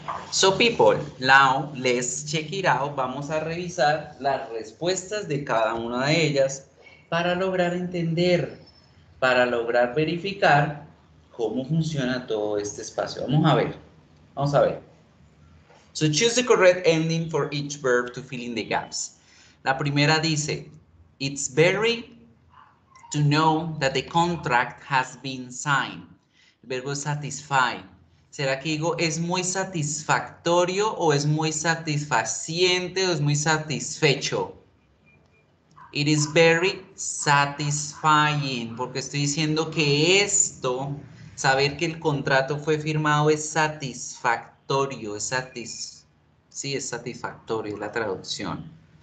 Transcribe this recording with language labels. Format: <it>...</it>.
<en>So people, now let's check it out.</en> <es>Vamos a revisar las respuestas de cada una de ellas para lograr entender, para lograr verificar cómo funciona todo este espacio. Vamos a ver. Vamos a ver.</es> <en>So choose the correct ending for each verb to fill in the gaps.</en> <es>La primera dice,</es> <en>it's very to know that the contract has been signed.</en> <es>El verbo satisfy. ¿Será que digo es muy satisfactorio o es muy satisfaciente o es muy satisfecho?</es> <en>It is very satisfying,</en> <es>porque estoy diciendo que esto, saber que el contrato fue firmado, es satisfactorio, es satisfactorio, es la traducción.</es>